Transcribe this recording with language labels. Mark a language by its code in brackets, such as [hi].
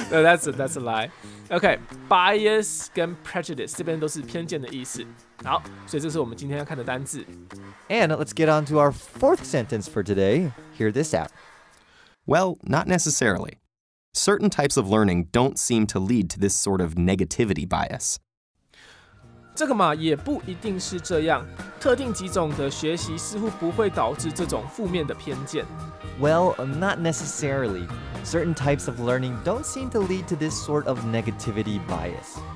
[en] no, that's a lie okay [zh] bias 跟 prejudice 这边都是偏见的意思好所以这是我们今天要看的单字 [en] and let's get on to our fourth sentence for today hear this out well not necessarily certain types of learning don't seem to lead to this sort of negativity bias [zh] 这个嘛也不一定是这样特定几种的学习似乎不会导致这种负面的偏见 [en] Well, not necessarily Certain types of learning don't seem to lead to this sort of negativity bias